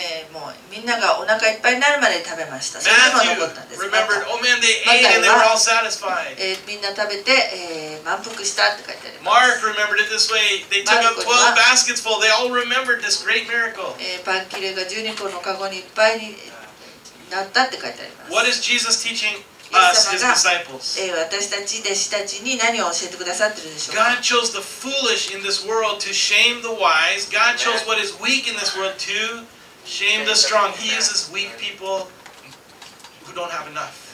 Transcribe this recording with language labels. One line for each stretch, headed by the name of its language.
Japanese: もうみんながお腹いっぱいになるまで食べました。
English: Matthew、
Japanese: それでも残ったんです。
English: Remembered, oh man, they ate and they were all satisfied.
Japanese: みんな食べて、満腹したって書いてあります。
English: Mark remembered it this way. They took up 12 baskets full. They all remembered this great miracle.
Japanese: パン切れが12個のカゴにいっぱいになったって書いてあります。
English: What is Jesus teaching?
Japanese: 私たち弟子たちに何を教えてくださってるでしょうか。
English: God chose the foolish in this world to shame the wise. God chose what is weak in this world to shame the strong. He uses weak people who don't have enough.